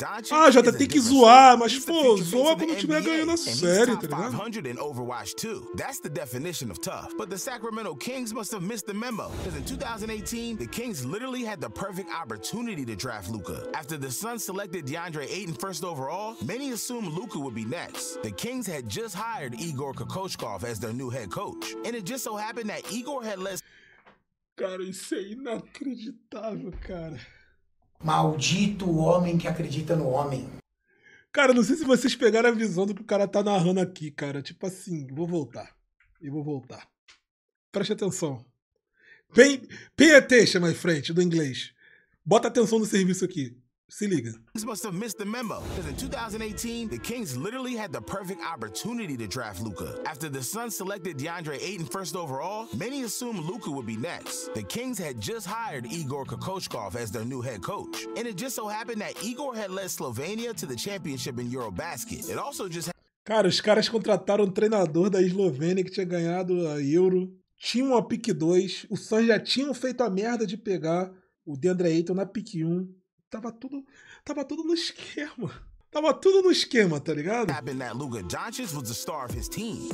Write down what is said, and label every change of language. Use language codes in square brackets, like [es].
[pt] Ah, Jota, tem que zoar, mas pô, zoa como tiver ganhando a série, tá ligado? [en] 500 in Overwatch 2. That's the definition of tough. But the Sacramento Kings must have missed the memo. Because in 2018, the Kings literally had the perfect opportunity to draft Luka. After the Suns selected DeAndre Ayton first overall, many assumed Luka would be next. The Kings had just hired Igor Kokoshkov as their new head coach. And it just so happened that Igor had less... [pt] Cara, isso é inacreditável, cara. Maldito homem que acredita no homem. Cara, não sei se vocês pegaram a visão do que o cara tá narrando aqui, cara. Tipo assim, vou voltar. Eu vou voltar. Preste atenção. [en] Pay attention, my friend, [pt] do inglês. Bota atenção no serviço aqui. Se liga. [en] Kings must have missed the memo, because in 2018, the Kings literally had the perfect opportunity to draft Luka. After the Suns selected DeAndre Ayton first overall, many assumed Luka would be next. The Kings had just hired Igor Kokoshkov as their new head coach. And it just so happened that Igor had led Slovenia to the championship in Eurobasket. It also just ha- [pt] Cara, os caras contrataram um treinador da Eslovênia que tinha ganhado a Euro. Tinha uma pick 2. O Suns já tinham feito a merda de pegar o DeAndre Ayton na pick 1. Tava tudo no esquema. Tava tudo no esquema, tá ligado? [en] Happened that Luka Doncic was the star of his team.